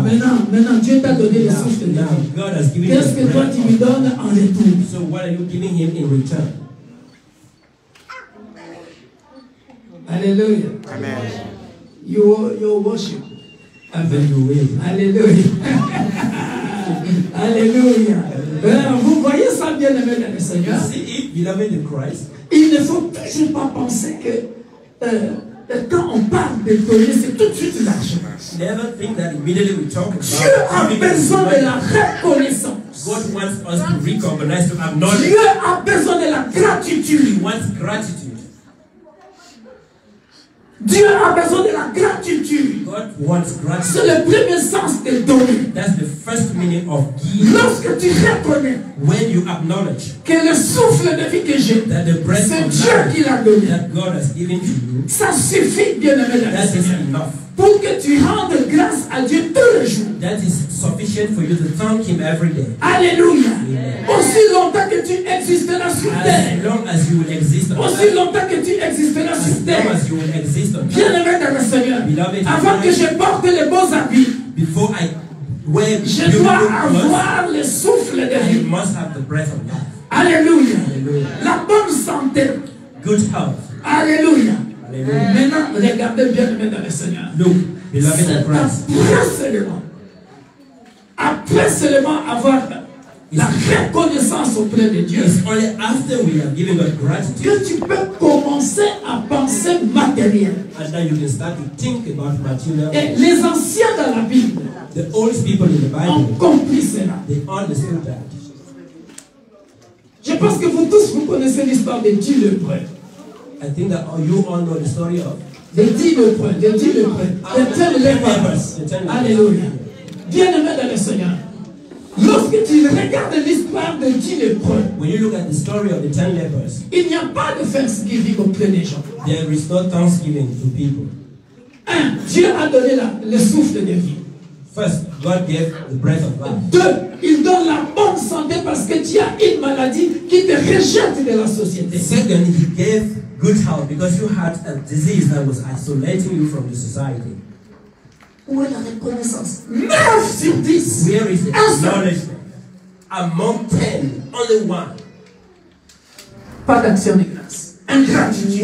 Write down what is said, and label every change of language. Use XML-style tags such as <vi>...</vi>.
<fr>Maintenant, Dieu t'a donné le souffle de vie.</fr> <en>God has given</en> <fr>qu'est-ce</fr> <en>you the breath.</en> <fr>Qu'est-ce que toi tu lui donnes en retour?</fr> <en>So what are you giving him in return?</en> <fr>Alléluia. Amen.</fr> <en>Your worship. Amen. You will.</en> <fr>Alléluia. Alléluia. Vous voyez ça bien aimé dans le Seigneur.</fr> <en>You see it, beloved in Christ.</en> <fr>Il ne faut toujours pas penser que quand on parle de donner, c'est tout de suite l'argent.</fr> <en>Never think that immediately we talk about.</en> <fr>Dieu a besoin de la reconnaissance.</fr> <en>God wants us to recognize, to acknowledge.</en> <fr>Dieu a besoin de la gratitude.</fr> <en>He wants gratitude.</en> <fr>Dieu a besoin de la gratitude.</fr> <en>God wants gratitude.</en> <fr>C'est le premier sens de donner.</fr> <en>That's the first meaning of giving.</en> <fr>Lorsque tu reconnais,</fr> <en>when you acknowledge,</en> <fr>que le souffle de vie que j'ai,</fr> <en>that the breath,</en> <fr>c'est Dieu qui l'a donné,</fr> <en>that God has given to you,</en> <fr>ça suffit bien aimé.</fr> <en>That is enough.</en> <fr>Pour que tu rendes grâce à Dieu tous les jours.</fr> <en>That is sufficient for you to thank him every day.</en> <fr>Alléluia. Aussi longtemps que tu existeras sur terre.</fr> <en>As long as you will exist.</en> <fr>Aussi longtemps que tu existeras sur terre.</fr> <en>As you will exist.</en> <fr>Bien aimé dans le Seigneur.</fr> <en>Beloved,</en> <fr>avant que je porte les beaux habits.</fr> <en>Before I wear,</en> <fr>je dois avoir le souffle de vie.</fr> <en>I must have the breath of life.</en> <fr>Alléluia. Alléluia. La bonne santé.</fr> <en>Good health.</en> <fr>Alléluia. Alléluia. Maintenant, regardez bien le Seigneur.</fr> <en>Look, beloved in Christ.</en> <fr>Après seulement avoir la reconnaissance auprès de Dieu.</fr> <en>It's only after we have given God gratitude.</en> <fr>Que tu peux commencer à penser matériel.</fr> <en>And that you can start to think about material.</en> <fr>Et les anciens dans la Bible.</fr> <en>The old people in the Bible.</en> <fr>Ont compris cela.</fr> <en>They understood that.</en> <fr>Je pense que vous tous vous connaissez l'histoire de Dieu le prêtre.</fr> <en>I think that you all know the story of the 10 lepers. The 10 lepers. The 10 lepers. Alléluia.</en> <fr>Bien-aimé dans le Seigneur. Lorsque tu regardes l'histoire de 10 lepers,</fr> <en>when you look at the story of the 10 lepers,</en> <fr>il n'y a pas de thanksgiving auprès des gens.</fr> <en>There is no thanksgiving to people.</en> <fr>Dieu a donné le souffle de vie.</fr> <en>First, God gave the breath of life.</en> <fr>Deux, il donne la bonne santé parce que tu as une maladie qui te rejette de la société.</fr> <en>Second, he gave good health because you had a disease that was isolating you from the society.</en> <fr>Où est la reconnaissance? 9 sur 10.</fr> <en>Where is the acknowledgement? Among 10, only one.</en> <fr>Pas d'action de grâce. Ingratitude.</fr>